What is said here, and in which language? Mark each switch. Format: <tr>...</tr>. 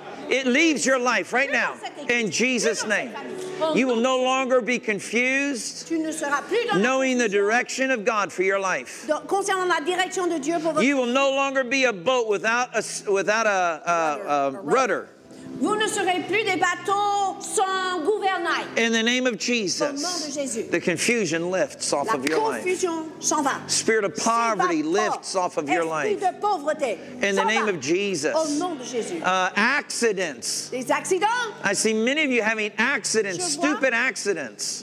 <en>It leaves your life right now in Jesus' name. You will no longer be confused knowing the direction of God for your life. You will no longer be a boat without a rudder.</en> <fr>Vous ne serez plus des bateaux sans gouvernail.</fr> <en>In the name of Jesus, the confusion lifts off</en> <fr>la</fr> <en>of your life.</en> <fr>S'en va.</fr> <en>Spirit of poverty lifts off of your life.</en> <fr>De pauvreté.</fr> <en>In the name</en> <fr>va.</fr> <en>Of Jesus.</en> <fr>Au nom de Jésus.</fr> <en>Accidents.</en> <fr>Des accidents.</fr> <en>I see many of you having accidents, stupid accidents.</en>